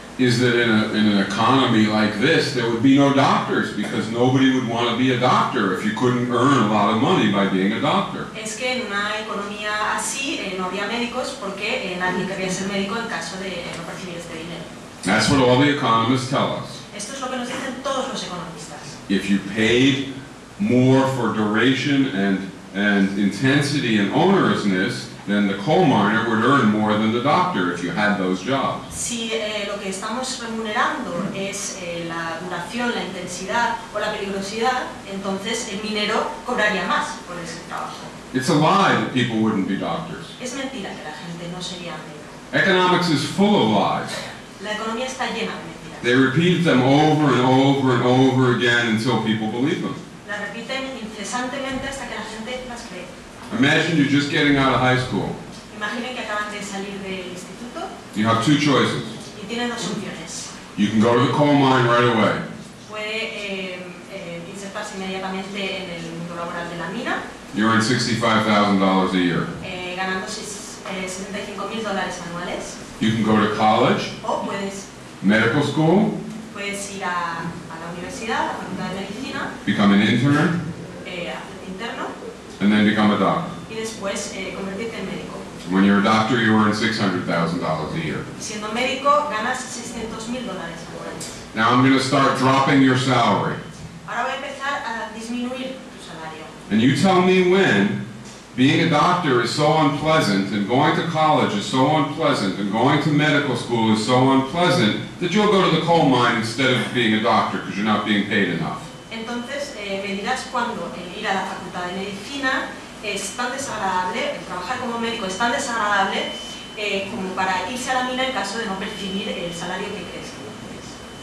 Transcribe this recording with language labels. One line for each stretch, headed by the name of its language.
English: is that in an economy like this, there would be no doctors because nobody would want to be a doctor if you couldn't earn a lot of money by being a doctor.
Spanish: Es que en una economía así no había médicos porque nadie quería ser médico en caso de no percibir este dinero.
English: That's what all the economists tell us.
Spanish: Esto es lo que nos dicen todos los economistas.
English: If you paid more for duration and intensity and onerousness, then the coal miner would earn more than the doctor if you had those jobs.
Spanish: Si lo que estamos remunerando es la duración, la intensidad o la peligrosidad, entonces el minero cobraría más por ese trabajo.
English: It's a lie that people wouldn't be doctors.
Spanish: Es mentira que la gente no sería médico.
English: Economics is full of lies.
Spanish: La economía está llena de mentiras.
English: They repeat them over and over and over again until people believe them.
Spanish: La repiten incesantemente hasta que la gente las cree.
English: Imagine you're just getting out of high school.
Spanish: Imaginen que acaban de salir del instituto.
English: You have two choices.
Spanish: Y tienen dos opciones.
English: You can go to the coal mine right away.
Spanish: Puede insertarse inmediatamente en el mundo laboral de la mina.
English: You earn $65,000 a year.
Spanish: Ganando $75,000 anuales.
English: You can go to college.
Spanish: O puedes.
English: Medical school.
Spanish: Puedes ir a la universidad, a la facultad de medicina.
English: Become an intern.
Spanish: Interno.
English: And then become a doctor.
Spanish: Y después convertirte en médico.
English: When you're a doctor, you earn $600,000 a year.
Spanish: Siendo médico, ganas $600,000 por año.
English: Now I'm going to start dropping your salary.
Spanish: Ahora voy a empezar a disminuir tu salario.
English: And you tell me when. Being a doctor is so unpleasant, and going to college is so unpleasant, and going to medical school is so unpleasant, that you'll go to the coal mine instead of being a doctor because you're not being paid enough.
Spanish: Entonces, me dirás cuando el ir a la facultad de medicina es tan desagradable, el trabajar como médico es tan desagradable como para irse a la mina en caso de no percibir el salario que crees que mereces.